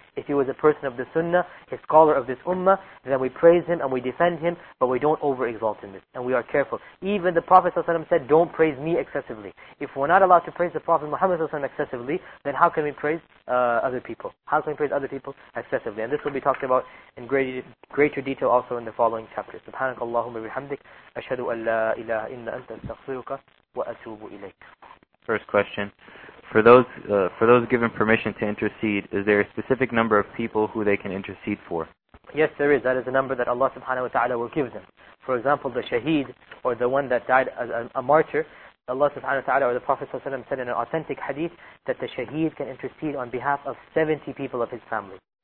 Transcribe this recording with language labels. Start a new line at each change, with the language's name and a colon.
English: If he was a person of the sunnah, a scholar of this ummah, then we praise him and we defend him, but we don't over-exalt him. And we are careful. Even the Prophet ﷺ said, don't praise me excessively. If we're not allowed to praise the Prophet Muhammad ﷺ excessively, then how can we praise other people? How can we praise other people excessively? And this will be talked about in greater detail also in the following chapter. SubhanAllah.
Arabic: اللهم بحمدك أشهد أن لا إله إلا أنت أستغفرك وأتوب إليك.
English: First question: for those given permission to intercede, is there a specific number of people who they can intercede for? Yes, there is. That is the number that Allah Subhanahu wa Taala will give them. For example, the shaheed or the one that died as a martyr, Allah Subhanahu wa Taala or the Prophet صلى الله عليه وسلم said in an authentic hadith that the shaheed can intercede on behalf of 70 people of his family.